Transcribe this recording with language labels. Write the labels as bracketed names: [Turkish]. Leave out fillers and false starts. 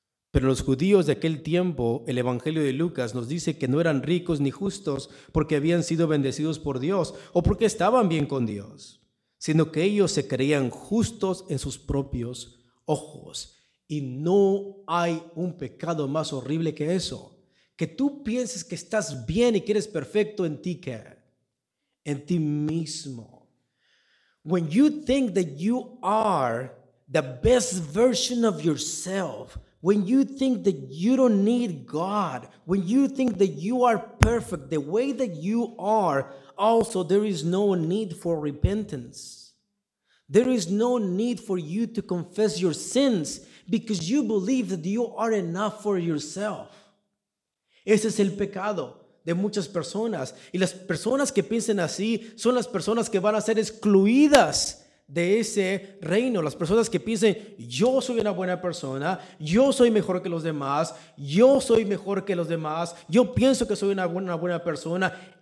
[Spanish] Pero los judíos de aquel tiempo, el Evangelio de Lucas nos dice que no eran ricos ni justos porque habían sido bendecidos por Dios o porque estaban bien con Dios, sino que ellos se creían justos en sus propios ojos. Y no hay un pecado más horrible que eso. Que tú pienses que estás bien y que eres perfecto en ti, ¿qué? En ti mismo. [English] When you think that you are the best version of yourself, when you think that you don't need God, when you think that you are perfect the way that you are, also there is no need for repentance. There is no need for you to confess your sins because you believe that you are enough for yourself. [Spanish] Ese es el pecado de muchas personas. Y las personas que piensen así son las personas que van a ser excluidas de ese reino, las personas que piensen, yo soy una buena persona, yo soy mejor que los demás, yo soy mejor que los demás, yo pienso que soy una buena persona.